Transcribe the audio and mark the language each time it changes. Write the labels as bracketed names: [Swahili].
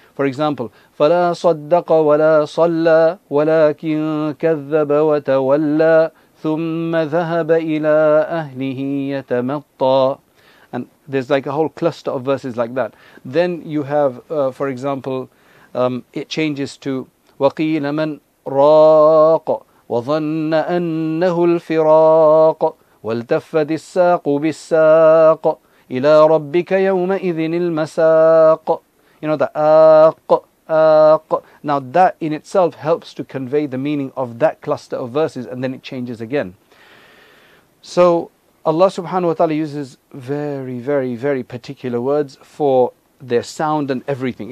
[English] For example, [Arabic] فَلَا صَدَّقَ وَلَا صَلَّى وَلَكِنْ كَذَّبَ وَتَوَلَّى ثُمَّ ذَهَبَ إِلَىٰ أَهْلِهِ يَتَمَطَّى. [English] And there's like a whole cluster of verses like that. Then you have, for example, it changes to [Arabic] وَقِيلَ مَنْ رَاقَ وَظَنَّ أَنَّهُ الْفِرَاقَ وَالْتَفَّدِ السَّاقُ بِالسَّاقَ إِلَىٰ رَبِّكَ يَوْمَئِذٍ الْمَسَاقَ. [English] You know, the آقَ, آقَ. Now that in itself helps to convey the meaning of that cluster of verses, and then it changes again. So Allah subhanahu wa ta'ala uses very, very, very particular words for their sound and everything.